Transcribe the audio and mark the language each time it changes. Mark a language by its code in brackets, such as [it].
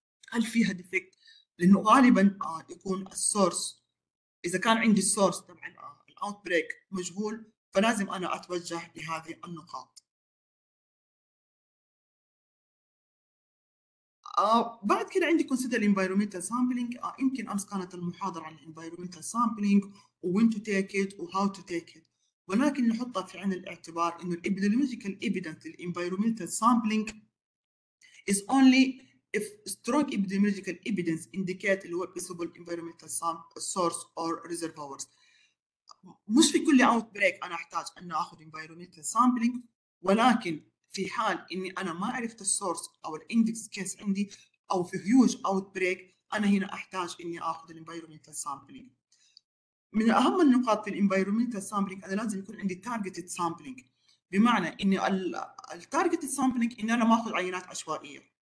[ar] هل فيها ديفكت؟ لانه غالبا يكون السورس، اذا كان عندي السورس تبع الاوت بريك مجهول، فلازم انا اتوجه لهذه النقاط. بعد كده عندي [en] consider environmental sampling. [ar] يمكن أمس كانت المحاضرة عن [en] environmental sampling [ar] و [en] when to take it و how to take it، [ar] ولكن نحطها في عين الاعتبار إنه [en] epidemiological evidence [ar] لل [en] environmental sampling is only if strong epidemiological evidence indicate [ar] اللي هو [en] visible environmental source or reservoirs. [ar] مش في كل outbreak أنا أحتاج أن أخذ environmental sampling، ولكن في حال اني انا ما عرفت السورس او الاندكس كيس عندي او في هيوج اوت بريك، انا هنا احتاج اني اخذ الانفايرومنتال سامبلينج. من اهم النقاط في الانفايرومنتال سامبلينج انا لازم يكون عندي تارجتد سامبلينج، بمعنى اني التارجتد سامبلينج اني انا ما اخذ عينات عشوائيه.